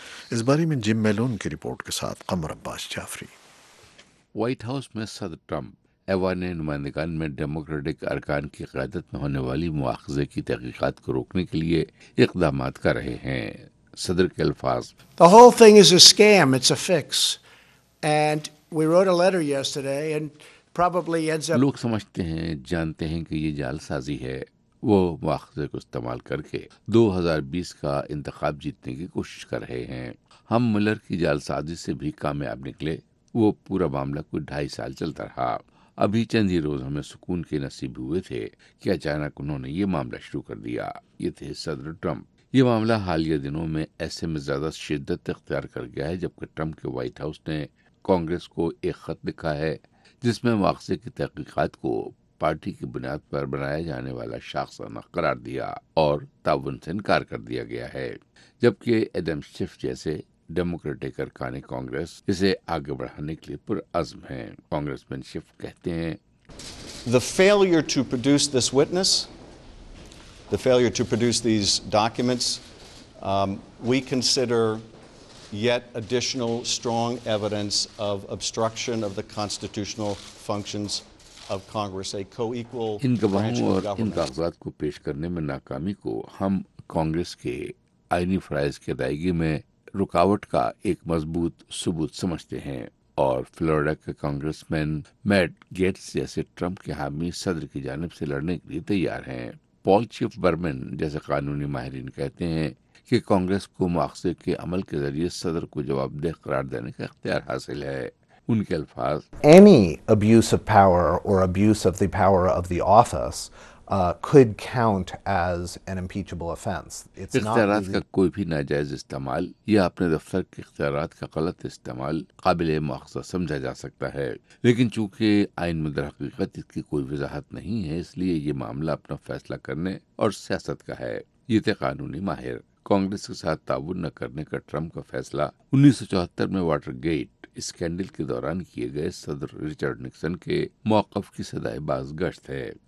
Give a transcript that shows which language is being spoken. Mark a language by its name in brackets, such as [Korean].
[Urdu] اس بارے میں جم میلون کی رپورٹ کے ساتھ قمر عباس جعفری. وائٹ ہاؤس میں صدر ٹرمپ ایوان نمائندگان میں ڈیموکریٹک ارکان کی قیادت میں ہونے والی مواخذے کی تحقیقات کو روکنے کے لیے اقدامات کر رہے ہیں. صدر کے الفاظ, [English] The whole thing is a scam. It's a fix. And we wrote a letter yesterday and probably ends up [Urdu] لوگ سمجھتے ہیں, جانتے ہیں کہ یہ جعل سازی ہے وہ مواخذے کو استعمال کر کے 2020 کا انتخاب جیتنے کی کوشش کر رہے ہیں۔ ہم ملر کی جعلسازی سے بھی کامیاب نکلے، وہ پورا معاملہ کوئی 2.5 سال چلتا رہا۔ ابھی چند ہی روز ہمیں سکون کے نصیب ہوئے تھے کہ اچانک انہوں نے یہ معاملہ شروع کر دیا۔ یہ تھے صدر ٹرمپ۔ یہ معاملہ حالیہ دنوں میں ایسے میں زیادہ شدت اختیار کر گیا ہے جبکہ ٹرمپ کے وائٹ ہاؤس نے کانگریس کو ایک خط لکھا ہے جس میں مواخذے کی تحقیقات کو پارٹی کی بنیاد پر بنایا جانے والا شاخصانہ قرار دیا اور تعاون سے انکار کر دیا گیا ہے، جبکہ ایڈم شیف جیسے ڈیموکریٹک ارکان کانگریس اسے آگے بڑھانے کے لیے پرعزم ہیں۔ کانگریس مین شیف کہتے ہیں، [English] The failure to produce this witness, the failure to produce these documents, we consider yet additional strong evidence of obstruction of the constitutional functions of Congress, a co-equal [Urdu] ان گواہوں اور ان کاغذات کو پیش کرنے میں ناکامی کو ہم کانگریس کے آئینی فرائض کی ادائیگی میں رکاوٹ کا ایک مضبوط ثبوت سمجھتے ہیں۔ اور فلوریڈا کے کانگریس مین میٹ گیٹس جیسے ٹرمپ کے حامی صدر کی جانب سے لڑنے کے لیے تیار ہیں۔ پال چیف برمن جیسے قانونی ماہرین کہتے ہیں کہ کانگریس کو مواخذے کے عمل کے ذریعے صدر کو جواب دہ قرار دینے کا اختیار حاصل ہے۔ ان کے الفاظ، [English] Any abuse of power or abuse of the power of the office could count as an impeachable offense. It's not [Urdu] اختیارات کا کوئی بھی ناجائز استعمال یا اپنے دفتر کے اختیارات کا غلط استعمال قابل مواخذہ سمجھا جا سکتا ہے، لیکن چونکہ آئین میں درحقیقت اس کی کوئی وضاحت نہیں ہے اس لیے یہ معاملہ اپنا فیصلہ کرنے اور سیاست کا ہے۔ یہ تھے قانونی ماہر۔ کانگریس کے ساتھ تعاون نہ کرنے کا ٹرمپ کا فیصلہ 1974 میں واٹر گیٹ اسکینڈل کے دوران کیے گئے صدر رچرڈ نکسن کے موقف کی صدائے باز گشت ہے۔